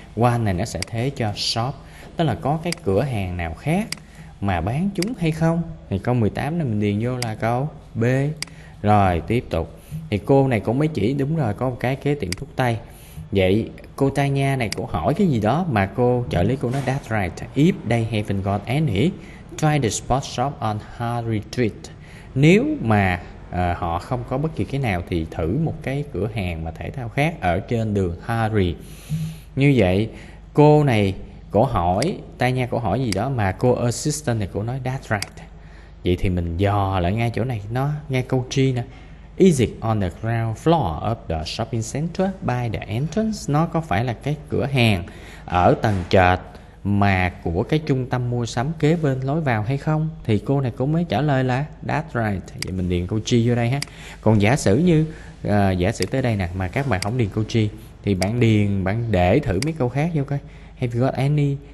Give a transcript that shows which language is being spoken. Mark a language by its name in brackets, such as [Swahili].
[Vietnamese] Quan này nó sẽ thế cho shop, tức là có cái cửa hàng nào khác mà bán chúng hay không. Thì câu 18 này mình điền vô là câu B. Rồi tiếp tục thì cô này cũng mới chỉ đúng rồi, có một cái kế tiệm thuốc tây. Vậy cô Tanya này cũng hỏi cái gì đó mà cô trợ lý cô nói [English] that's right. If they haven't got any, try the sports shop on her retreat. [Vietnamese] Nếu mà họ không có bất kỳ cái nào thì thử một cái cửa hàng mà thể thao khác ở trên đường Harry. Như vậy cô này cổ hỏi, Tanya cổ hỏi gì đó mà cô assistant này cổ nói [English] that's right. [Vietnamese] Vậy thì mình dò lại ngay chỗ này nó, ngay câu G nè. [English] Is it on the ground floor of the shopping center by the entrance? [Vietnamese] Nó có phải là cái cửa hàng ở tầng trệt mà của cái trung tâm mua sắm kế bên lối vào hay không? Thì cô này cũng mới trả lời là [English] that's right. [Vietnamese] Vậy mình điền câu G vô đây ha. Còn giả sử như giả sử tới đây nè mà các bạn không điền câu G thì bạn điền, bạn để thử mấy câu khác vô coi. [English] Have you got any?